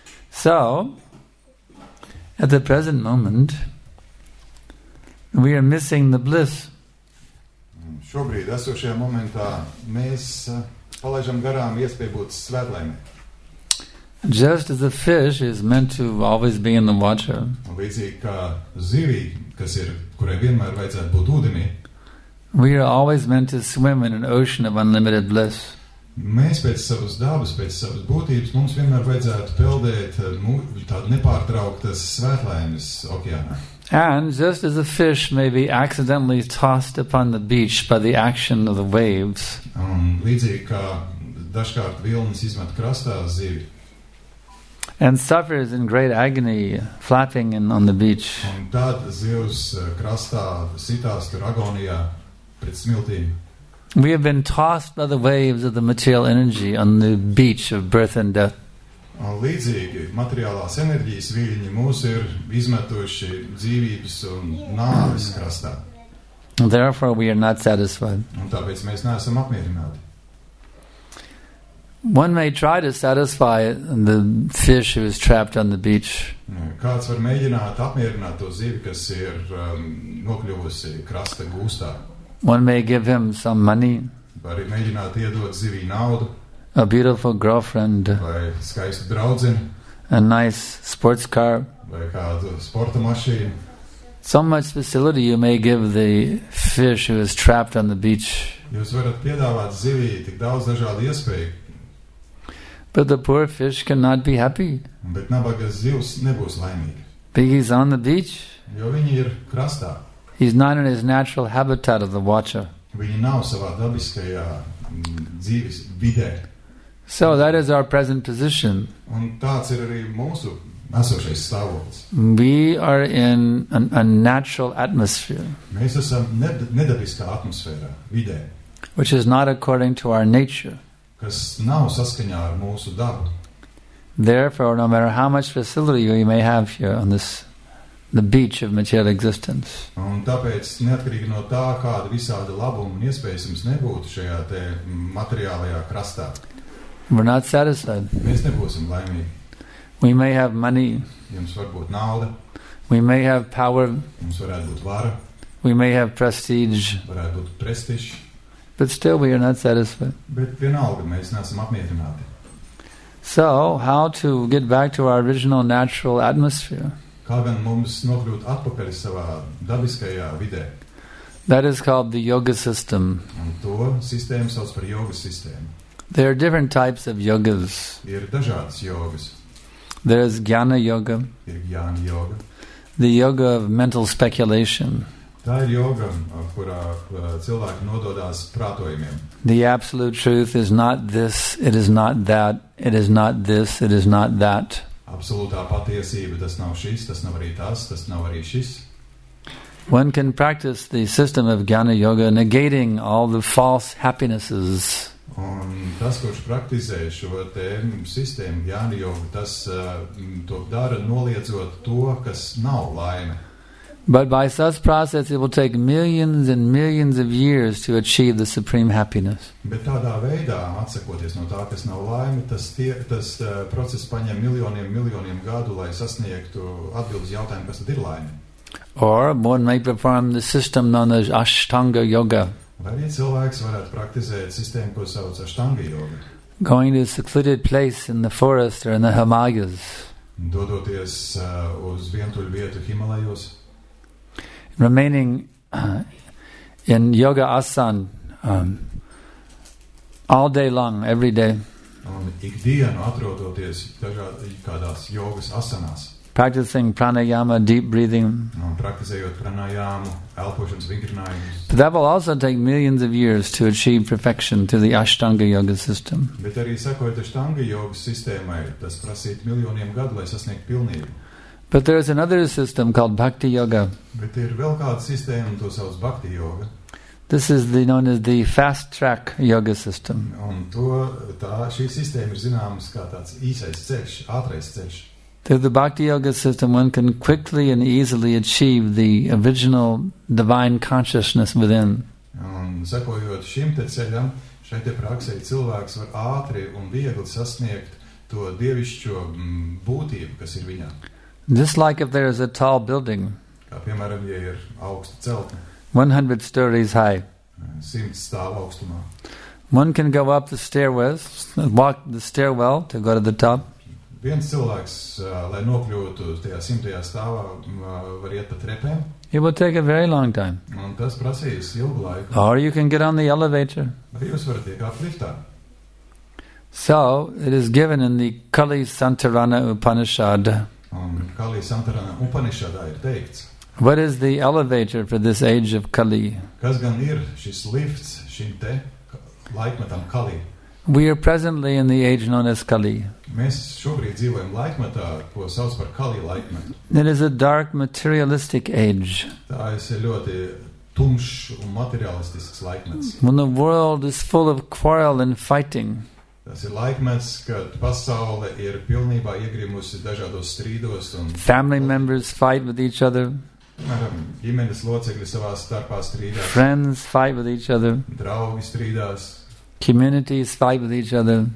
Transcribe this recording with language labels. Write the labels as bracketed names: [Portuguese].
[English] So, at the present moment, we are missing the bliss. [Latvian] Šobrīd esošajā momentā mēs palaidām garām iespēju būt svētlaimi. [English] Just as a fish is meant to always be in the water. [Latvian] Līdzīgi kā zivī, kas ir, kurai vienmēr vajadzētu būt ūdenī. [English] We are always meant to swim in an ocean of unlimited bliss. [Latvian] Mēs pēc savas dabas, pēc savas būtības, mums vienmēr vajadzētu peldēt tādu nepārtrauktas svētlaimes okeānā. [English] And just as a fish may be accidentally tossed upon the beach by the action of the waves, [Latvian] līdzīgi kā dažkārt vilnis izmet krastā zivi, [English] and suffers in great agony flapping in on the beach, [Latvian] un tad zivs krastā sitās tur agonijā pret smiltīm. [English] We have been tossed by the waves of the material energy on the beach of birth and death. [Latvian] Līdzīgi materiālās enerģijas vīļiņi mūs ir izmetuši dzīvības un nāves krastā. [English] Therefore we are not satisfied. [Latvian] Un tāpēc mēs neesam apmierināti. [English] One may try to satisfy the fish who is trapped on the beach. [Latvian] Kāds var mēģināt apmierināt to zivi, kas ir nokļuvusi krasta gūstā. [English] One may give him some money. [Latvian] Var mēģināt iedot zivī naudu. [English] A beautiful girlfriend, [Latvian] vai skaista draudzene, [English] a nice sports car, [Latvian] vai kādu sporta mašīnu. [English] So much facility you may give the fish who is trapped on the beach. [Latvian] Jūs varat piedāvāt zivī tik daudz dažādu iespēju. [English] But the poor fish cannot be happy. [Latvian] Bet nabaga zivs nebūs laimīga. [English] Because he's on the beach. [Latvian] Jo viņi ir krastā. [English] He's not in his natural habitat of the water. [Latvian] Viņi nav savā dabiskajā dzīves vidē. [English] So that is our present position. [Latvian] Un tāds ir arī mūsu esošais stāvoklis. [English] We are in a natural atmosphere. [Latvian] Mēs esam nedabiskā atmosfērā, vidē. [English] Which is not according to our nature. [Latvian] Kas nav saskaņā ar mūsu dabu. [English] Therefore, no matter how much facility you may have here on this the beach of material existence. [Latvian] Un tāpēc, neatkarīgi no tā, kāda visāda labuma un iespējas jums nebūtu šajā te materiālajā krastā. [English] We're not satisfied. [Latvian] Mēs nebūsim laimīgi. [English] We may have money. [Latvian] Jums var būt nauda. [English] We may have power. [Latvian] Jums varētu būt vara. [English] We may have prestige. [Latvian] Varētu būt prestiž. [English] But still we are not satisfied. [Latvian] Bet vienalga, mēs neesam apmierināti. [English] So, how to get back to our original natural atmosphere? [Latvian] Kā gan mums nokļūt atpakaļ savā dabiskajā vidē? [English] That is called the yoga system. [Latvian] Un to sistēmu sauc par yoga sistēmu. [English] There are different types of yogas. [Latvian] Ir dažādas jogas. [English] There is jnana yoga. [Latvian] Ir jnana yoga. [English] The yoga of mental speculation. [Latvian] Tā ir yoga, kurā cilvēki nododās prātojumiem. [English] The absolute truth is not this, it is not that, it is not this, it is not that. [Latvian] Absolūtā patiesība, tas nav šis, tas nav arī tas, tas nav arī šis. [English] One can practice the system of jnana yoga negating all the false happinesses. [Latvian] Un tas, kurš praktizē šo tēmu sistēmu jnana yoga, tas to dara noliedzot to, kas nav laime. [English] But by such process it will take millions and millions of years to achieve the supreme happiness. [Latvian] Bet tādā veidā, atsakoties no tā, kas nav laime, tas process paņem miljoniem miljoniem gadu, lai sasniegtu atbildes jautājumu, kas tad ir laime. [English] Or one may perform the system known as Ashtanga Yoga. [Latvian] Vai viens cilvēks varētu praktizēt sistēmu, ko sauc Ashtanga Yoga? [English] Going to a secluded place in the forest or in the Himalayas. [Latvian] Dodoties uz vientuļu vietu Himalajos. [English] Remaining in yoga asan all day long, every day. [Latvian] Un ikdienu atrodoties kādās jogas asanās. [English] Practicing pranayama, deep breathing. [Latvian] Praktizējot pranayama, elpošanas vingrinājumus. [English] That will also take millions of years to achieve perfection through the Ashtanga yoga system. [Latvian] Bet arī sakojot Ashtanga yoga sistēmai, tas prasīt miljoniem gadu, lai sasniegt pilnību. [English] But there is another system called Bhakti Yoga. [Latvian] Bet ir vēl kāda sistēma, to sauc Bhakti Yoga. [English] This is the known as the fast track yoga system. [Latvian] Un to, tā, šī sistēma ir zināmas kā tāds īsais ceļš, ātrais ceļš. [English] Through the Bhakti Yoga system, one can quickly and easily achieve the original divine consciousness within. [Latvian] Un sakojot šim te ceļam, šai te praksei cilvēks var ātri un viegli sasniegt to dievišķo būtību, kas ir viņā. [English] Just like if there is a tall building, [Latvian] kā, piemēram, ja ir augsta celtne, [English] 100 stories high, [Latvian] 100 stāv augstumā. [English] One can go up the stairways, walk the stairwell to go to the top. [Latvian] Viens cilvēks, lai nokļūtu tajā 100. Stāvā, var iet pa trepēm. [English] It will take a very long time. [Latvian] Un tas prasīs ilgu laiku. [English] Or you can get on the elevator. [Latvian] Vai jūs varat iekāpt liftā. [English] So, it is given in the Kali Santarana Upanishad. [Latvian] Un Kali Santarana Upanishadā ir teikts. [English] What is the elevator for this age of Kali? [Latvian] Kas gan ir šis lifts šim te laikmetam Kali? [English] We are presently in the age known as Kali. [Latvian] Mēs šobrīd dzīvojam laikmetā, ko sauc par Kali laikmetu. [English] It is a dark materialistic age. [Latvian] Tā ir ļoti tumšs un materialistisks laikmets. [English] When the world is full of quarrel and fighting. [Latvian] Tas ir laikmets, kad pasaule ir pilnībā iegrimusi dažādos strīdos un [English] family members fight with each other. [Latvian] Ģimenes locekļi savā starpā strīdās. [English] Friends fight with each other. [Latvian] Draugi strīdās. [English] Communities fight with each other.